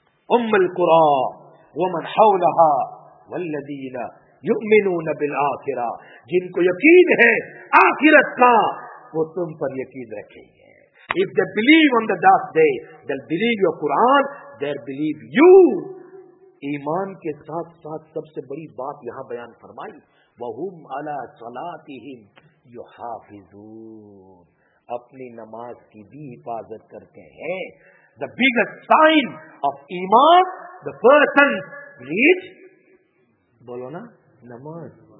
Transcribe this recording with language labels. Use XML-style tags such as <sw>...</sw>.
<ar>أم القرى ومن حولها والذين يؤمنون بالآخرة.</ar> <ur>جن کو یقین ہے آخرت کا وہ تم پر یقین رکھیں گے.</ur> <en>If they believe on the last day, they'll believe your Quran, they'll believe you.</en> <ur>ایمان کے ساتھ ساتھ سب سے بڑی بات یہاں بیان فرمائی,</ur> <ar>وَهُمْ عَلَىٰ صَلَاتِهِمْ يُحَافِظُونَ.</ar> <ur>اپنی نماز کی بھی حفاظت کرتے ہیں.</ur> <en>The biggest sign of iman, the person reads,</en> <ur>bolo na,</ur> <en>namaz.</en>